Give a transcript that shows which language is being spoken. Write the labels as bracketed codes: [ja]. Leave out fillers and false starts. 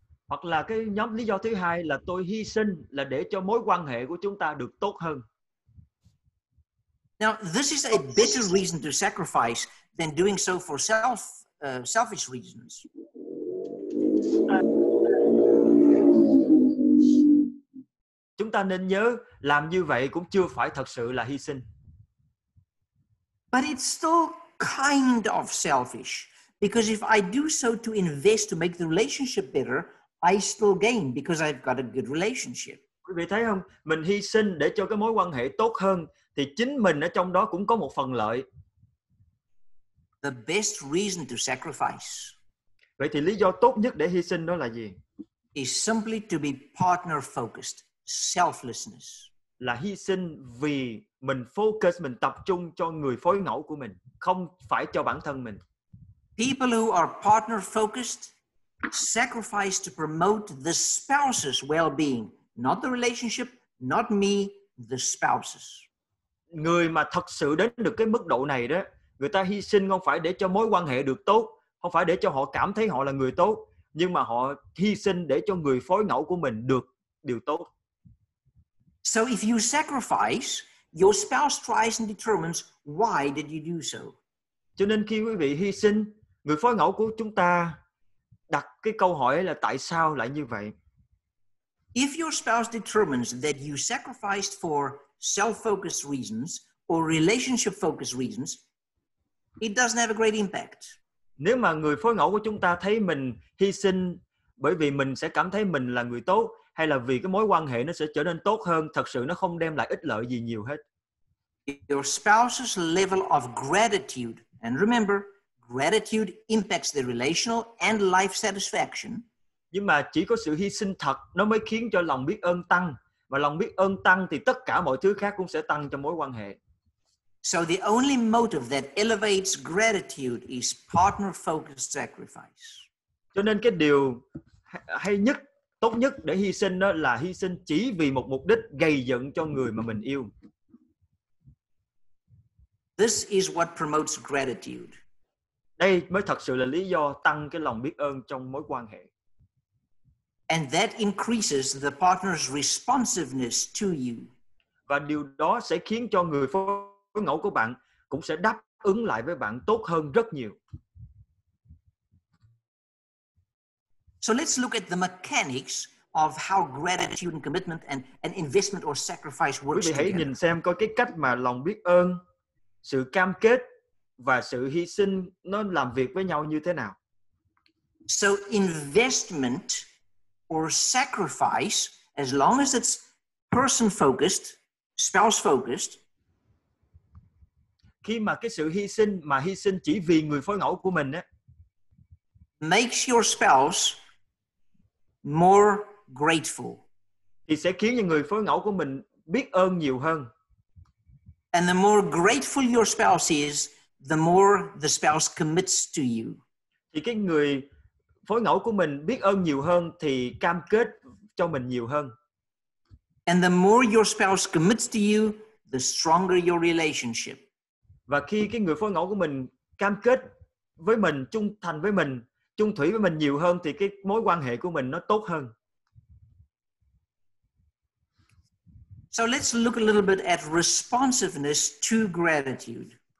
[vi] Hoặc là cái nhóm lý do thứ hai là tôi hy sinh là để cho mối quan hệ của chúng ta được tốt hơn. [en] Now, this is a better reason to sacrifice than doing so for selfish reasons. [vi] Chúng ta nên nhớ, làm như vậy cũng chưa phải thật sự là hy sinh. [en] But it's still kind of selfish, because if I do so to invest to make the relationship better, I still gain because I've got a good relationship. [vi] Quý vị thấy không? Mình hy sinh để cho cái mối quan hệ tốt hơn, thì chính mình ở trong đó cũng có một phần lợi. [en] The best reason to sacrifice. [vi] Vậy thì lý do tốt nhất để hy sinh đó là gì? [en] Is simply to be partner focused, selflessness. [vi] Là hy sinh vì mình focus, mình tập trung cho người phối ngẫu của mình, không phải cho bản thân mình. [en] People who are partner focused sacrifice to promote the spouse's well-being, not the relationship, not me, the spouse's. [vi] Người mà thật sự đến được cái mức độ này đó, người ta hy sinh không phải để cho mối quan hệ được tốt, không phải để cho họ cảm thấy họ là người tốt, nhưng mà họ hy sinh để cho người phối ngẫu của mình được điều tốt. [en] So if you sacrifice, your spouse tries and determines why did you do so. [vi] Cho nên khi quý vị hy sinh, người phối ngẫu của chúng ta đặt cái câu hỏi là tại sao lại như vậy? [en] If your spouse determines that you sacrificed for self-focused reasons or relationship-focused reasons, it doesn't have a great impact. [vi] Nếu mà người phối ngẫu của chúng ta thấy mình hy sinh bởi vì mình sẽ cảm thấy mình là người tốt hay là vì cái mối quan hệ nó sẽ trở nên tốt hơn, thật sự nó không đem lại ích lợi gì nhiều hết. [en] Your spouse's level of gratitude, and remember, gratitude impacts the relational and life satisfaction. [vi] Nhưng mà chỉ có sự hy sinh thật nó mới khiến cho lòng biết ơn tăng, và lòng biết ơn tăng thì tất cả mọi thứ khác cũng sẽ tăng trong mối quan hệ. [en] So the only motive that elevates gratitude is partner-focused sacrifice. [vi] Cho nên cái điều hay nhất, tốt nhất để hy sinh đó là hy sinh chỉ vì một mục đích gây dựng cho người mà mình yêu. [en] This is what promotes gratitude. [vi] Đây mới thật sự là lý do tăng cái lòng biết ơn trong mối quan hệ. [en] And that increases the partner's responsiveness to you. [vi] Và điều đó sẽ khiến cho người phối ngẫu của bạn cũng sẽ đáp ứng lại với bạn tốt hơn rất nhiều. [en] So let's look at the mechanics of how gratitude and commitment and an investment or sacrifice works. [vi] Quý vị hãy nhìn xem coi cái cách mà lòng biết ơn, sự cam kết và sự hy sinh nó làm việc với nhau như thế nào. [en] So investment or sacrifice, as long as it's person focused, spouse focused, [vi] khi mà cái sự hy sinh mà hy sinh chỉ vì người phối ngẫu của mình á, [en] makes your spouse more grateful, [vi] thì sẽ khiến những người phối ngẫu của mình biết ơn nhiều hơn. [en] And the more grateful your spouse is, the more the spouse commits to you. [vi] Thì cái người phối ngẫu của mình biết ơn nhiều hơn thì cam kết cho mình nhiều hơn. [en] And the more your spouse commits to you, the stronger your relationship. [vi] Và khi cái người phối ngẫu của mình cam kết với mình, trung thành với mình, chung thủy với mình nhiều hơn thì cái mối quan hệ của mình nó tốt hơn. [en] So let's look a little bit at responsiveness to gratitude.